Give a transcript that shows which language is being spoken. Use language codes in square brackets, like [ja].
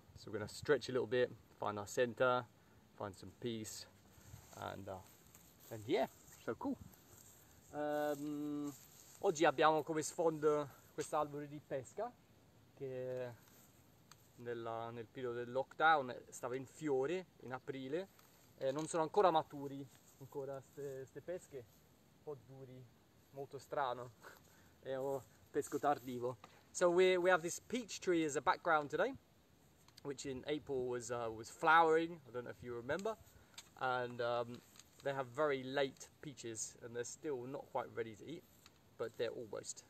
[en] So we're gonna stretch a little bit, find our center, find some peace, and yeah, so cool. [it] Oggi abbiamo come sfondo quest'albero di pesca che nel periodo del lockdown stava in fiore in aprile e non sono ancora maturi ancora ste pesche, un po' duri, molto strano, è un pesco tardivo. [en] So we have this peach tree as a background today, which in April was flowering. I don't know if you remember. And they have very late peaches and they're still not quite ready to eat, but they're almost.